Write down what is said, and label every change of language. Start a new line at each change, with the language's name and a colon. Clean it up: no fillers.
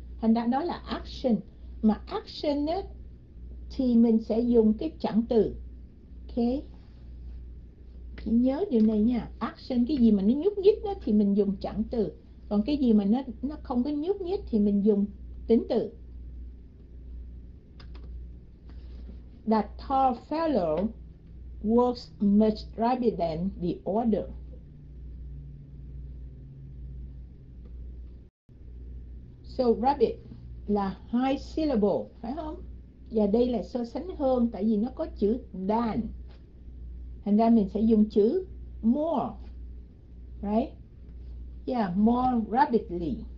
Vietnamese: Thành ra đó là action. Mà action á, thì mình sẽ dùng cái chặng từ. Ok, chị nhớ điều này nha. Action, cái gì mà nó nhúc nhích đó, thì mình dùng chặng từ. Còn cái gì mà nó không có nhúc nhích thì mình dùng tính từ.
English: That tall fellow walks much rapidly than the order. So rapid là high syllable,
Vietnamese: phải không? Và đây là so sánh hơn, tại vì nó có chữ than, thành ra mình sẽ dùng chữ more,
English: right? Yeah, more rapidly.